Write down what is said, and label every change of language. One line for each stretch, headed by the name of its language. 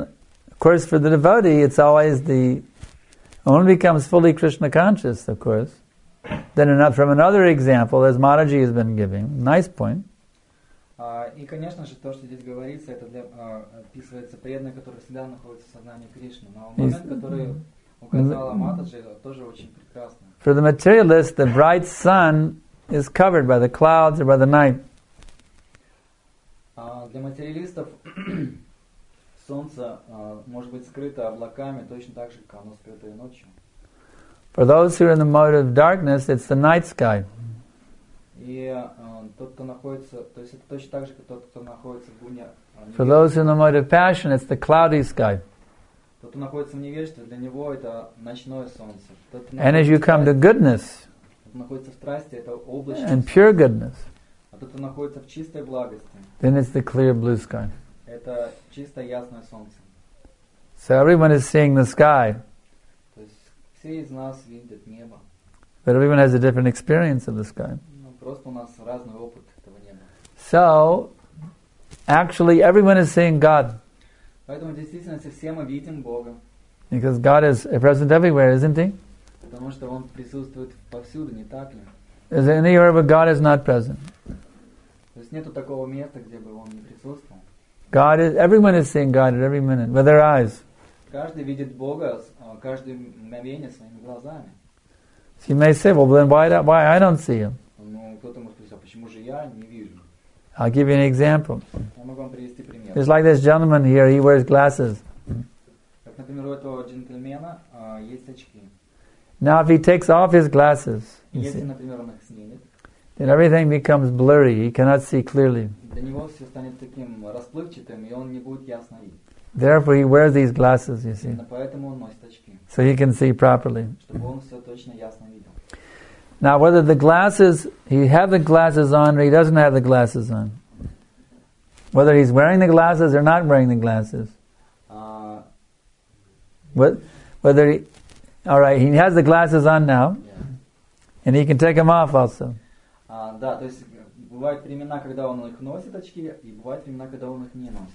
English: Of course, for the devotee, it's always the one becomes fully Krishna conscious, of course. Then enough from another example, as Mataji has been giving. Nice point.
Russian: И, конечно же, то, что здесь говорится, это для, описывается преданный, который всегда находится в сознании Кришны. Но момент, который указала Матаджи, тоже очень прекрасно.
English: For the materialist, the bright sun is covered by the clouds or by the night.
Russian: Для материалистов... Солнце может быть скрыто облаками, точно так же, как оно скрыто и ночью.
English: For those who are in the mode of darkness, it's the night sky.
Russian: И тот, кто находится, то есть это точно так же, как тот, кто находится в гуне.
English: For those who are in the mode of passion, it's the cloudy sky.
Russian: Тот, кто находится в невежестве, для него это ночное солнце.
English: And as you come to goodness,
Russian: тот, находится в страсти, это облачное.
English: And pure goodness.
Russian: А тот, кто находится в чистой благости.
English: Then it's the clear blue sky.
Russian: Это чисто ясное солнце.
English: So everyone is seeing the sky.
Russian: То есть все из нас видят небо.
English: But everyone has a different experience of the sky.
Russian: Ну, просто у нас разный опыт этого неба.
English: So, actually, everyone is seeing God.
Russian: Поэтому в действительности все мы видим Бога.
English: Because God is present everywhere, isn't He?
Russian: Потому что Он присутствует повсюду, не так ли?
English: Is there anywhere where God is not present?
Russian: То есть нету такого места, где бы Он не присутствовал.
English: God is. Everyone is seeing God at every minute with their eyes.
Russian: Каждый видит Бога каждое мгновение своими глазами.
English: So you may say, "Well, then why I don't see Him?"
Russian: Ну, кто-то может спросить, а почему же я не вижу?
English: I'll give you an example.
Russian: Я могу вам привести пример.
English: There's like this gentleman here. He wears glasses.
Russian: Как, например, у этого джентльмена есть очки.
English: Now, if he takes off his glasses, you see,
Russian: если, например, он их снимет,
English: then everything becomes blurry. He cannot see clearly.
Russian: Для него все станет таким расплывчатым, и он не будет ясно видеть.
English: Therefore, he wears these glasses, you see.
Russian: Именно поэтому он носит очки.
English: So he can see properly.
Russian: Чтобы он все точно ясно видел.
English: Now, whether the glasses, he has the glasses on, or he doesn't have the glasses on. Whether he's wearing the glasses or not wearing the glasses. Whether he, all right, he has the glasses on now. Yeah. And he can take them off also.
Russian: Да, то есть... Бывают времена, когда он их носит очки, и бывают времена, когда он их не носит.